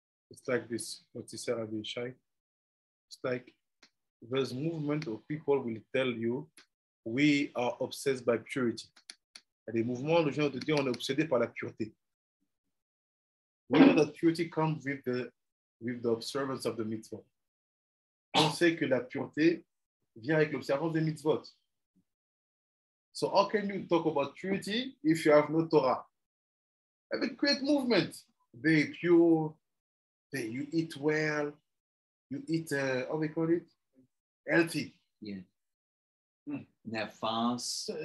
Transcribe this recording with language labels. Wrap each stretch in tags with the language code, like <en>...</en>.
<en>It's like this, what he said, Rabbi Shai. It's like there's movement of people will tell you we are obsessed by purity. And the movement,</en> <fr>les gens te disent, on est obsédé par la pureté.</fr> <en>We know that purity comes with the observance of the mitzvot.</en> <fr>On sait que la pureté vient avec l'observance des mitzvot.</fr> <en>So how can you talk about purity if you have no Torah? I mean, create movement. Be pure. Say you eat well. You eat, how they call it? Healthy. Yeah. Mm. Now fast.</en>